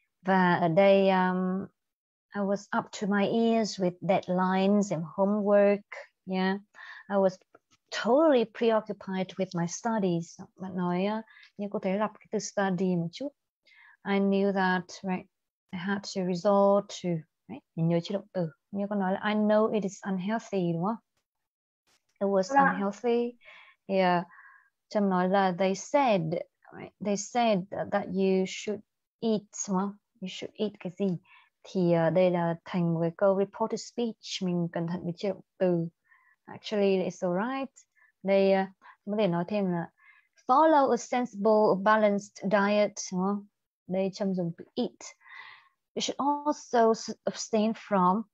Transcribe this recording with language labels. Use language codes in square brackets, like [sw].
[vi] Và ở đây, [en] I was up to my ears with deadlines and homework. Yeah, I was totally preoccupied with my studies. [vi] Bạn nói nhưng có thể lặp cái từ study một chút. [en] I knew that, right? I had to resort to, right? [vi] Mình nhớ chữ động từ. Như con nói là [en] I know it is unhealthy, [vi] đúng không? [en] It was unhealthy. Yeah. [vi] Trâm nói là [en] they said, right? They said that you should eat, well, you should eat [vi] cái gì? Thì đây là thành một cái câu reported speech. Mình cẩn thận với chữ động từ. [en] Actually, it's alright. [vi] Đây, có thể nói thêm là [en] follow a sensible, balanced diet. [vi] Đây, Trâm dùng từ [en] eat. You should also abstain from.